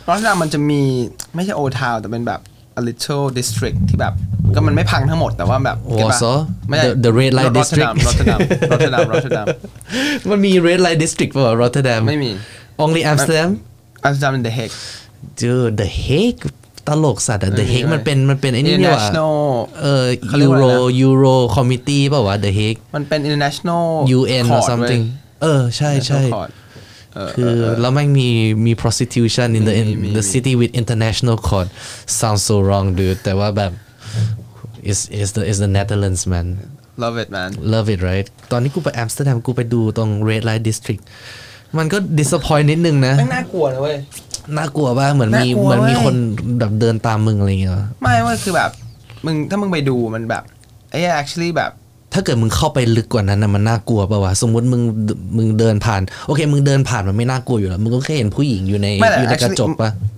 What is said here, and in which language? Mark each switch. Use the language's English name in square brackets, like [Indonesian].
[Thai] ร็อตเทอร์ดัมมันจะมีไม่ใช่โอทาวน์แต่เป็นแบบ [English] a little district [Thai] ที่แบบก็มันไม่พังทั้งหมดแต่ว่าแบบ วอร์ซอไม่ใช่ the red light district ร็อตเทอร์ดัม มันมี red light district ป่ะร็อตเทอร์ดัม ไม่มี [English] only Amsterdam Amsterdam in the Hague dude the Hague [Thai] ตลกสัตว์อ่ะ The Hague มันเป็นไอ้นี่ว่ะ [English] International Euro Committee ป่ะวะ The Hague [Thai] มันเป็น International [English] UN or something [Thai] เออใช่ใช่คือแล้วแม่งมี [English] prostitution in the city with international court sounds so wrong dude [Thai] แต่ว่าแบบ [English] is the Netherlands man Love it, man. Love it, right? [Thai] ตอนนี้กูไปอัมสเตอร์ดัมกูไปดูตรง Red Light District มันก็ disappoint นิดนึงนะ แม่งน่ากลัวเลยเว้ย น่ากลัวป่ะเหมือนมีคนแบบเดินตามมึงอะไรอย่างเงี้ยไม่เว้ยคือแบบมึงถ้ามึงไปดูมันแบบไอ้ actually แบบ ถ้าเกิดมึงเข้าไปลึกกว่านั้นน่ะมันน่ากลัวป่ะวะสมมติมึงเดินผ่านโอเคมึงเดินผ่านมันไม่น่ากลัวอยู่แล้วมึงก็แค่เห็นผู้หญิงอยู่ในกระจกป่ะ